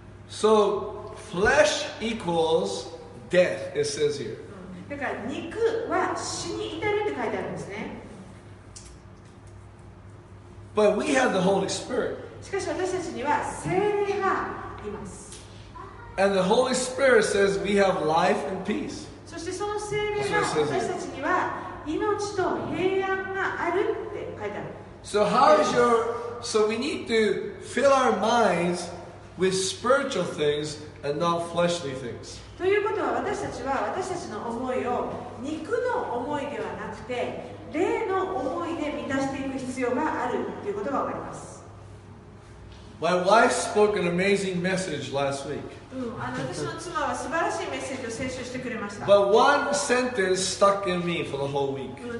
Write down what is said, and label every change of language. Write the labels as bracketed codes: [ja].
[en] So, flesh equals death, it says here. [ja] で、だから肉は死に至るって書いてあるんですね。 [en] But we have the Holy Spirit. [ja] しかし私たちには聖霊がいます。 [en] And the Holy Spirit says we have life and peace. [ja] そしてその聖霊が私たちには命と平安があるって書いてある。 [en] So how is your? So we need to fill our minds with spiritual things and not fleshly things. [ja] ということは私たちは私たちの思いを肉の思いではなくて霊の思いで満たしていく必要があるということがわかります。 [en] My wife spoke an amazing message last week. But one sentence stuck in me for the whole week.